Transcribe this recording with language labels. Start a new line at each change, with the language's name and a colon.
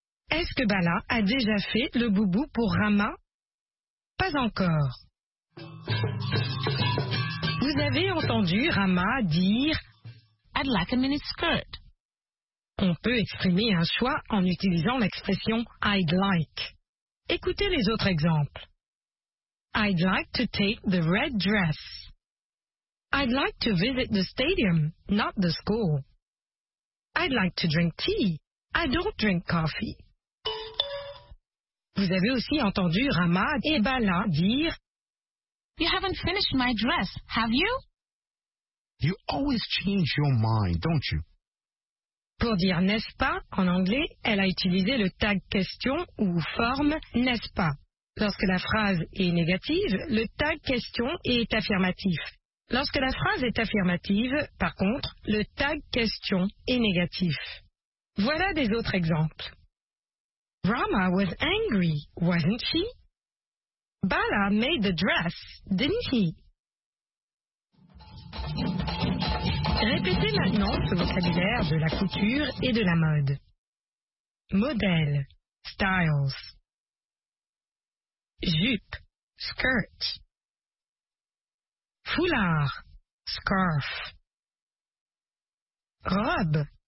French: Est-ce que Bala a déjà fait le boubou pour Rama? Pas encore. Vous avez entendu Rama dire
English: « I'd like a mini skirt ».
French: On peut exprimer un choix en utilisant l'expression «
English: I'd like ».
French: Écoutez les autres exemples.
English: « I'd like to take the red dress ».« I'd like to visit the stadium, not the school ».« I'd like to drink tea ». I don't drink coffee.
French: Vous avez aussi entendu Rama et Bala dire
English: You haven't finished my dress, have you? You always change your mind, don't you?
French: Pour dire n'est-ce pas, en anglais, elle a utilisé le tag question ou forme n'est-ce pas. Lorsque la phrase est négative, le tag question est affirmatif. Lorsque la phrase est affirmative, par contre, le tag question est négatif. Voilà des autres exemples.
English: Rama was angry, wasn't she? Bala made the dress, didn't he?
French: Répétez maintenant ce vocabulaire de la couture et de la mode. Modèle, styles. Jupe, skirt. Foulard, scarf. Robe.